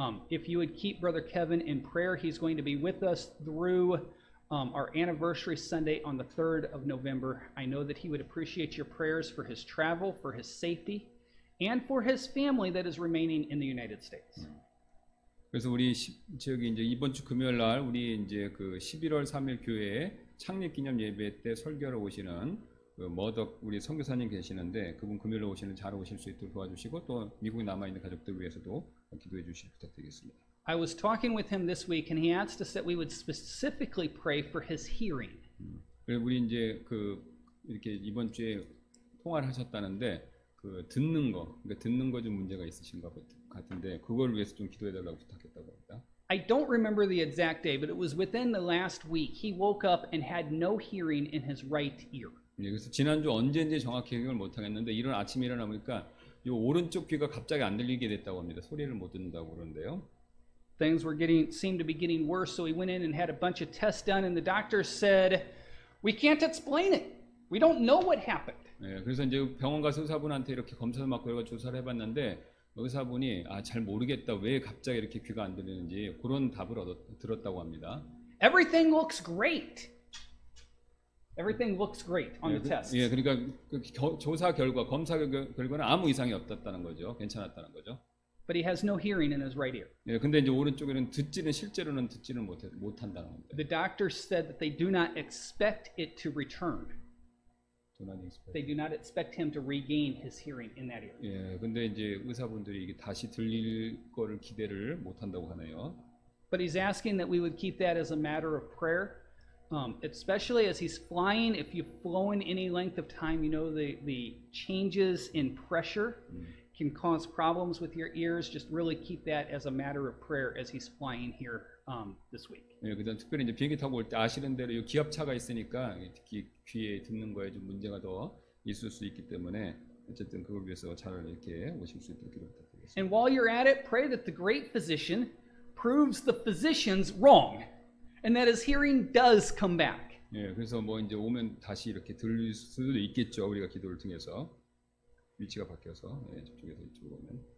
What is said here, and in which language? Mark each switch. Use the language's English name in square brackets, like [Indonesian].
[English] If you would keep Brother Kevin in prayer, he's going to be with us through our anniversary Sunday on the 3rd of November. I know that he would appreciate your prayers for his travel, for his safety, and for his family that is remaining in the United States. [Korean] 그래서 우리 저기 이제 이번 주 금요일 날 우리 이제 그 11월 3일 교회 창립 기념 예배 때 설교를 오시는 그 머덕 우리 선교사님 계시는데 그분 금요일에 오시는 잘 오실 수 있도록 도와주시고 또 미국에 남아 있는 가족들 위해서도 기도해 주시기 부탁드리겠습니다. [English] I was talking with him this week and he asked us that we would specifically pray for his hearing. [Korean] 우리 이제 그 이렇게 이번 주에 통화를 하셨다는데 그 듣는 거 그러니까 듣는 거 좀 문제가 있으신 것 같은데 그걸 위해서 좀 기도해 달라고 부탁했다고 합니다. [English] I don't remember the exact day but it was within the last week he woke up and had no hearing in his right ear. [Korean] 예, 그래서 지난주 언제인지 정확히 기억을 못하겠는데 이런 아침에 일어나보니까 이 오른쪽 귀가 갑자기 안 들리게 됐다고 합니다. 소리를 못 듣는다고 그러는데요. [English] Things were getting seemed to be getting worse, so we went in and had a bunch of tests done, and the doctor said, "We can't explain it." We don't know what happened. [Korean] 예, 그래서 이제 병원 가서 의사분한테 이렇게 검사를 막 그래가 조사를 해봤는데 의사분이 아, 잘 모르겠다. 왜 갑자기 이렇게 귀가 안 들리는지 그런 답을 들었다고 합니다. [English] Everything looks great. Everything looks great on the test. [Korean] 예, 그러니까 그 조사 결과, 검사 결과는 아무 이상이 없었다는 거죠. 괜찮았다는 거죠. [English] But he has no hearing in his right ear. [Korean] 예, 근데 이제 오른쪽에는 듣지는 실제로는 듣지는 못 한다는 겁니다. [English] The doctor said that they do not expect it to return. Do not expect. They do not expect him to regain his hearing in that ear. [Korean] 예, 근데 이제 의사분들이 이게 다시 들릴 거를 기대를 못 한다고 하네요. [English] But he's asking that we would keep that as a matter of prayer. Especially as he's flying, if you've flown any length of time, you know the changes in pressure can cause problems with your ears. Just really keep that as a matter of prayer as he's flying here this week. [Korean] 네, 그다음 특별히 이제 비행기 타고 올 때 아시는 대로 이 기압차가 있으니까 특히 귀에 듣는 거에 좀 문제가 더 있을 수 있기 때문에 어쨌든 그걸 위해서 잘 이렇게 오실 수 있도록 부탁드리겠습니다. [English] And while you're at it, pray that the great physician proves the physicians wrong. And that his hearing does come back. [Korean] 예, 그래서 뭐 이제 오면 다시 이렇게 들릴 수도 있겠죠. 우리가 기도를 통해서 위치가 바뀌어서 예, 집중해서 이쪽으로 오면.